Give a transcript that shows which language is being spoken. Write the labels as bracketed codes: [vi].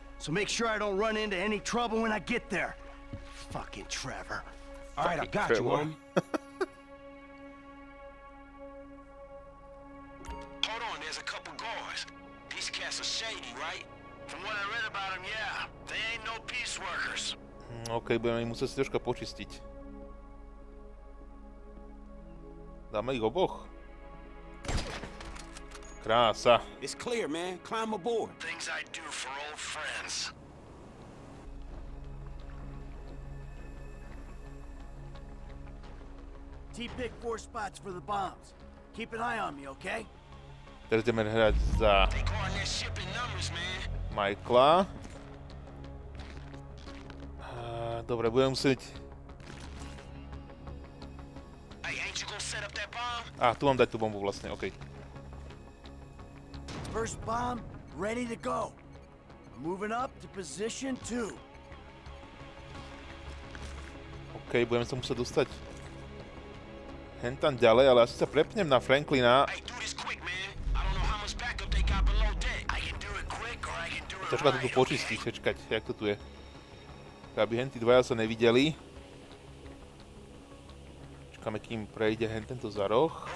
[en] So make sure I don't run into any trouble when I get there. Fucking Trevor. All right, I got Trevor. You, homie. Hold on, there's a couple guards. These cats are shady, right? From what I read about them, yeah. They ain't no peace workers. [sk] Okay, budeme musieť si troška počistiť. Dáme ich oboch. Krása. [en] It's clear, man. Climb aboard. Things I do for old friends. T-pick four spots for the bombs. Keep an eye on me, okay? [sk] Teraz ideme hrať za... Michaela. Dobre, budem musieť... [en] you gonna set up that bomb? [sk] Ah, tu mám dať tú bombu vlastne, okej. [en] Okay. First bomb, ready to go. Moving up to position 2. [sk] Okej, budeme sa musieť dostať hen tam ďalej, ale asi sa prepnem na Franklina. Čočka to tu počistí, čočkať, jak to tu je. Aby hen tí dvaja sa nevideli. Čakáme, kým prejde hen tento za roh.